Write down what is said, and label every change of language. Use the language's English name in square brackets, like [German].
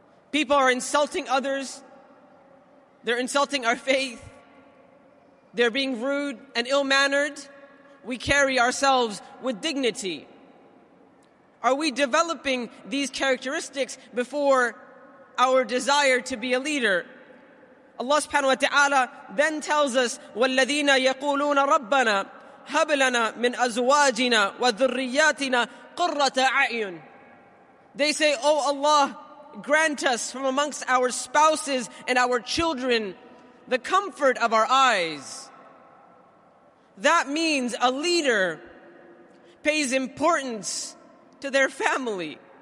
[English] People are insulting others. They're insulting our faith. They're being rude and ill-mannered. We carry ourselves with dignity. Are we developing these characteristics before our desire to be a leader? Allah subhanahu wa ta'ala then tells us, [Arabic] وَالَّذِينَ يَقُولُونَ رَبَّنَا هَبْ لَنَا مِنْ أَزْوَاجِنَا وَذُرِّيَّاتِنَا قُرَّةَ أَعْيُنٍ. [English] They say, O Allah, grant us from amongst our spouses and our children the comfort of our eyes. That means a leader pays importance to their family.